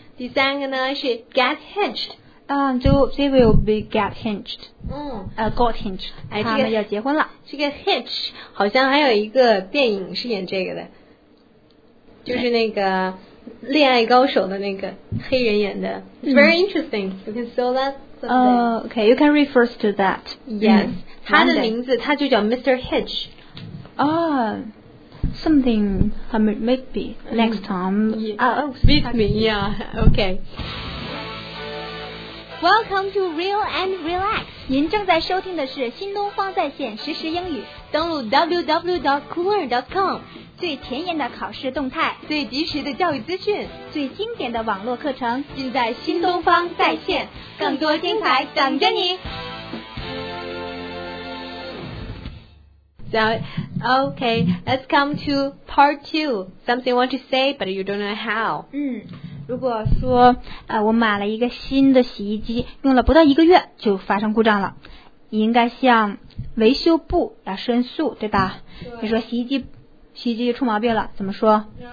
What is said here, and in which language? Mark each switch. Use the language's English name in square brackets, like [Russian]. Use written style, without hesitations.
[Chinese] 第三个呢是 [English] get hitched, they will be get hitched, got hinged, [Chinese] 他们要结婚了。这个 hitch 好像还有一个电影是演这个的，就是那个恋爱高手的那个黑人演的。 [English] It's very interesting, you can saw that someday. Okay, you can refer to that. Yes, [Chinese] 他的名字他就叫 Mr. Hitch. [English] Something, maybe, next time. With me, yeah, okay. Welcome to Real and Relax. [Chinese] 您正在收听的是新东方在线实时英语。登录 www.coolearn.com, 最前沿的考试动态，最及时的教育资讯，最经典的网络课程，尽在新东方在线，更多精彩等着你。 [English] So, okay, let's come to part two. Something you want to say, but you don't know how. [Chinese] 如果说我买了一个新的洗衣机，用了不到一个月就发生故障了，应该向维修部要申诉，对吧？对，你说洗衣机出毛病了，怎么说？